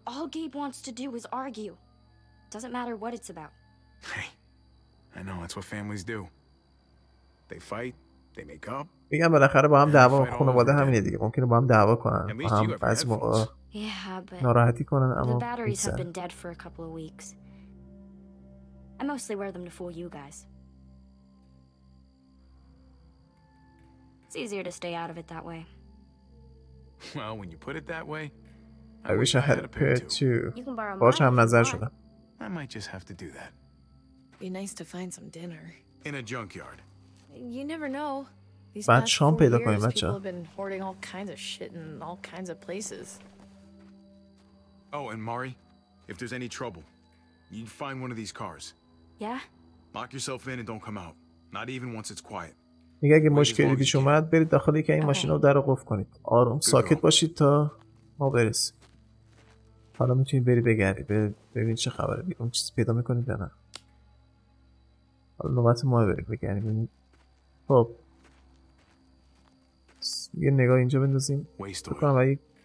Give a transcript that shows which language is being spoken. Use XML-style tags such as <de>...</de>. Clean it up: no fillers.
<en>All Gabe wants to do is argue. Doesn't matter what it's about. Hey, I know that's what families do. They fight, they make up.</en> <fa>میگم بالاخره با هم دعوا خانواده همینه دیگه. ممکنه با هم دعوا کنن. با هم بعضی موقع ناراحتی کنن اما</fa> <en>The batteries have been dead for a couple of weeks. I mostly wear them to fool you guys. Easier to stay out of it that way. Well, when you put it that way, I wish I had a pair too. You can borrow mine.</en> <fa>باشم نظر شدم.</fa> <en>I might just have to do that. Be nice to find some dinner. In a junkyard. You never know. These past 4 years, people have been hoarding all kinds of shit in all kinds of places. Oh, and Mari, if there's any trouble, you'd find one of these cars. Yeah? Lock yourself in and don't come out. Not even once it's quiet.</en> <fa>میگه اگه مشکلی پیش اومد برید داخل یکی این ماشین رو در رو قفل کنید آروم ساکت باشید تا ما برسیم حالا میتونید بری بگردی ببینید چه خبره اون چیز پیدا میکنید یا نه حالا نوبت ما برید بگردیم خب یه نگاه اینجا بندازیم بکنم</fa>